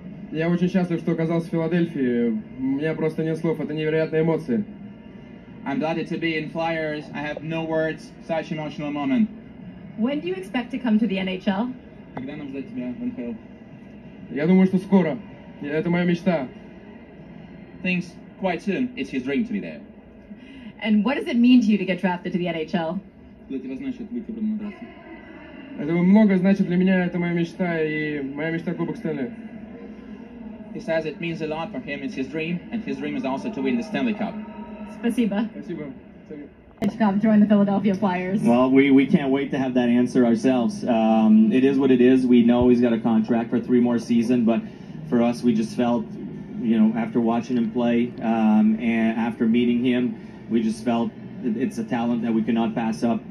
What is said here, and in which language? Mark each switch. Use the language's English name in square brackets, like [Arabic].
[Russian] Я очень счастлив, что оказался в Филадельфии. У меня просто нет слов. Это невероятные эмоции. [English] I'm delighted to be in Flyers. I have no words. Such an emotional moment. When do you expect to come to the NHL? [Russian] Когда нам ждать тебя в НХЛ? Я думаю, что скоро. Это моя мечта. [English] Things quite soon. It's his dream to be there. And what does it mean to you to get drafted to the NHL? [Russian] Для тебя значит быть выбранным на драфте. Это много значит для меня. Это моя мечта и моя мечта Кубок Стэнли. [English] He says it means a lot for him. It's his dream, and his dream is also to win the Stanley Cup. [Russian] Спасибо. Спасибо. Join the Philadelphia Flyers. [English] Well, we can't wait to have that answer ourselves. It is what it is. We know he's got a contract for 3 more seasons, but for us, we just felt, you know, after watching him play and after meeting him, we just felt it's a talent that we cannot pass up.